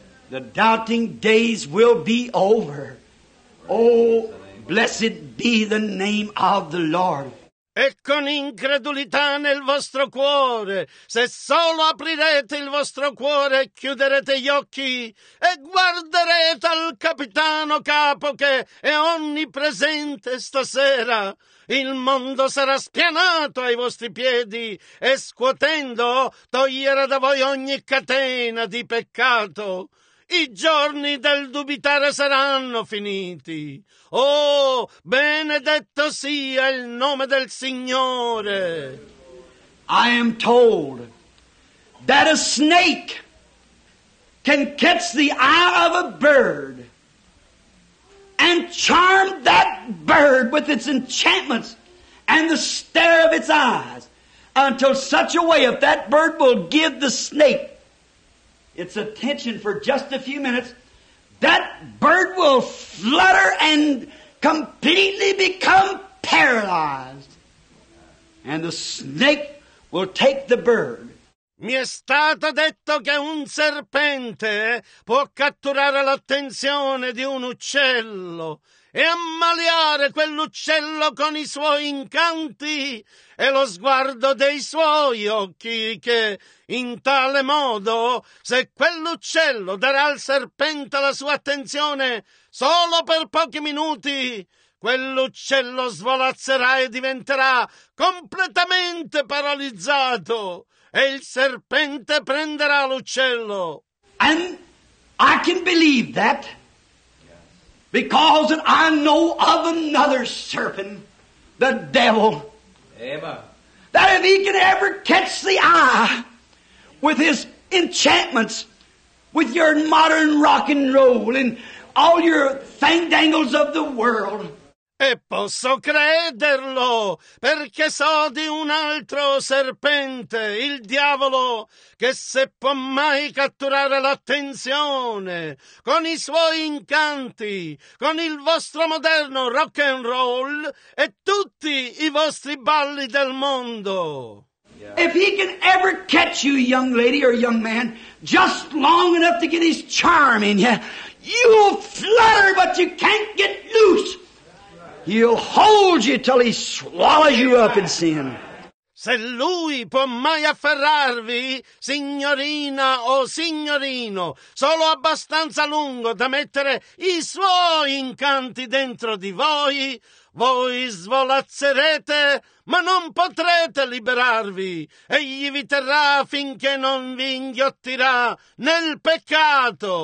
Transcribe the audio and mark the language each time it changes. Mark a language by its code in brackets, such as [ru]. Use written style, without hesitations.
[en] The doubting days will be over. Oh, blessed be the name of the Lord. [it] E con incredulità nel vostro cuore, se solo aprirete il vostro cuore e chiuderete gli occhi e guarderete al capitano capo che è onnipresente stasera, il mondo sarà spianato ai vostri piedi e scuotendo toglierà da voi ogni catena di peccato. I giorni del dubitare saranno finiti. Oh, benedetto sia il nome del Signore. [en] I am told that a snake can catch the eye of a bird and charm that bird with its enchantments and the stare of its eyes until such a way if that bird will give the snake its attention for just a few minutes, that bird will flutter and completely become paralyzed. And the snake will take the bird. [it] Mi è stato detto che un serpente può catturare l'attenzione di un uccello e ammaliare quell'uccello con i suoi incanti e lo sguardo dei suoi occhi, che in tale modo, se quell'uccello darà al serpente la sua attenzione solo per pochi minuti, quell'uccello svolazzerà e diventerà completamente paralizzato e il serpente prenderà l'uccello. [en] And I can believe that. Because I know of another serpent, the devil, Emma, that if he can ever catch the eye with his enchantments, with your modern rock and roll and all your fandangles of the world. [it] E posso crederlo, perché so di un altro serpente, il diavolo, che se può mai catturare l'attenzione con i suoi incanti, con il vostro moderno rock and roll e tutti i vostri balli del mondo. Yeah. [en] If he can ever catch you, young lady or young man, just long enough to get his charm in you, you flutter but you can't get loose. He'll hold you till he swallows you up in sin. [it] Se lui può mai afferrarvi, signorina o signorino, solo abbastanza lungo da mettere i suoi incanti dentro di voi, voi svolazzerete, ma non potrete liberarvi, e gli vi terrà finché non vi inghiottirà nel peccato.